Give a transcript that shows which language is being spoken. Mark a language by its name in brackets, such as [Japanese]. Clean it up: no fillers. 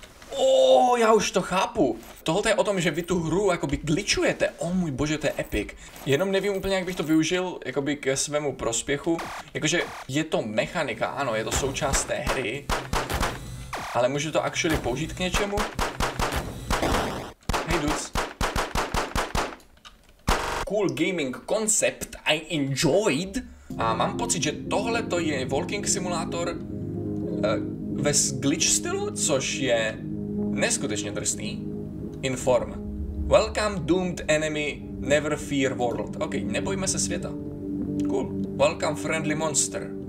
[Czech] Oh, já už to chápu. Tohle je o tom, že vy tu hru jakoby glitchujete. Oh můj bože, to je epic. Jenom nevím úplně, jak bych to využil jakoby ke svému prospěchu. Jakože je to mechanika, ano, je to součást té hry. Ale můžu to actually použít k něčemu? [English] Hey dudes. Cool gaming concept, I enjoyed. [Czech] A mám pocit, že tohle to je walking simulator ve glitch stylu, což je neskutečně drsný. [English] Inform. Welcome doomed enemy, never fear world. Ok, nebojme se světa. [Czech] Cool. Welcome friendly monster.